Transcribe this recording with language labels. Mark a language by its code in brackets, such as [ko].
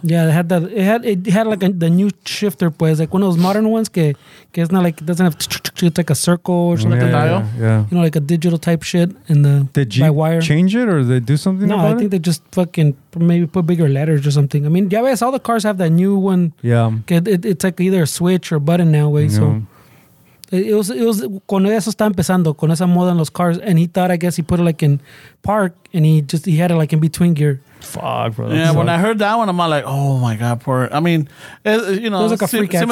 [en] Yeah, it had like the new shifter, pues. Like one of those modern ones que it's not like, it doesn't have, it's like a circle or something. Yeah, like yeah, a dial. Yeah, yeah. You know, like a digital type shit. And the Jeep by wire. Change it or they do something? No, about I think it? They just fucking maybe put bigger letters or something. I mean, yeah, I guess all the cars have that new one. Yeah. It's like either a switch or a button now, way. Yeah. So it was, [es] con eso está empezando, con esa moda en los cars. [en] And he thought, I guess he put it like in park and he had it like in between gear. Fuck, bro. Yeah, when I heard that one, I'm like, oh my God, poor. I mean, it was like a freak accident.